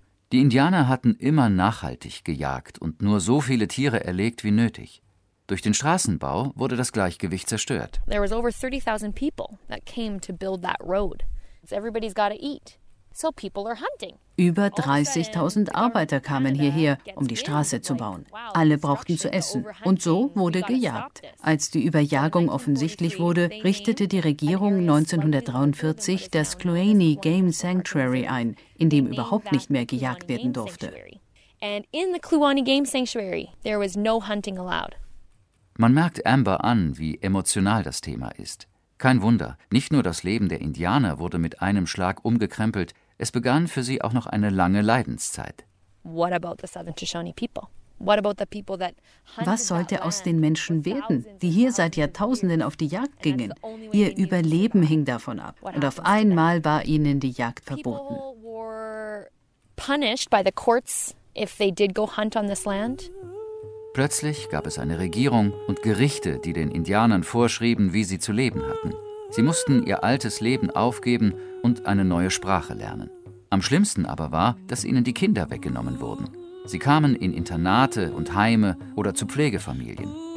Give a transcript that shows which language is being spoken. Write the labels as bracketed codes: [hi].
[de] Die Indianer hatten immer nachhaltig gejagt und nur so viele Tiere erlegt wie nötig. Durch den Straßenbau wurde das Gleichgewicht zerstört. [en] There was over 30,000 people that came to build that road. So everybody's got to eat. So people are hunting. [de] Über 30.000 Arbeiter kamen hierher, um die Straße zu bauen. Alle brauchten zu essen. Und so wurde gejagt. Als die Überjagung offensichtlich wurde, richtete die Regierung 1943 das Kluane Game Sanctuary ein, in dem überhaupt nicht mehr gejagt werden durfte. [en] And in the Kluane Game Sanctuary, there was no hunting allowed. [de] Man merkt Amber an, wie emotional das Thema ist. Kein Wunder, nicht nur das Leben der Indianer wurde mit einem Schlag umgekrempelt, es begann für sie auch noch eine lange Leidenszeit. [en] What about the Southern Shoshone people? What about the people that [de] Was sollte aus den Menschen werden, die hier seit Jahrtausenden auf die Jagd gingen? Ihr Überleben hing davon ab und auf einmal war ihnen die Jagd verboten. [en] People were punished by the courts if they did go hunt on this land. [de] Plötzlich gab es eine Regierung und Gerichte, die den Indianern vorschrieben, wie sie zu leben hatten. Sie mussten ihr altes Leben aufgeben und eine neue Sprache lernen. Am schlimmsten aber war, dass ihnen die Kinder weggenommen wurden. Sie kamen in Internate und Heime oder zu Pflegefamilien.